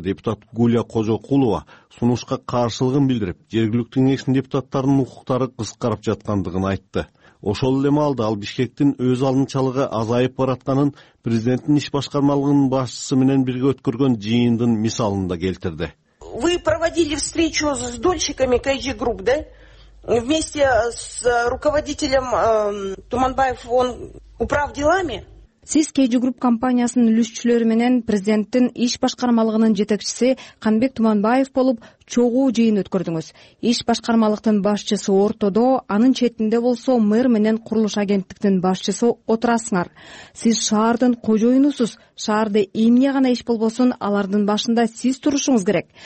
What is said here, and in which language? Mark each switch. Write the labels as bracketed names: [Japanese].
[Kyrgyz] Депутат Гуля Кожокулова сунушка каршылыгын билдирип, жергиликтүү кеңештин депутаттарынын укуктары кыскарып жаткандыгын айтты. Ошол эле маалда ал Бишкектин өз алдынчалыгы азайып баратканын президенттин иш башкармалыгынын башчысы менен бирге өткөргөн жыйындын мисалында келтирди. [Russian] Вы проводили встречу с дольщиками КГ Групп, да? Вместе с руководителем Туманбаев, он управ делами? [Kyrgyz] Сиз КГ Групп компаниясынын үлүшчүлөрү менен президенттин иш башкармалыгынын жетекчиси Канбек Туманбаев болуп чогуу жыйын өткөрдүңүз. Иш башкармалыктын башчысы ортодо, анын четинде болсо мэр менен курулуш агенттиктин башчысы отурасыңар. Сиз шаардын кожоюнусуз. Шаарда эмне гана иш болбосун, алардын башында сиз турушуңуз керек.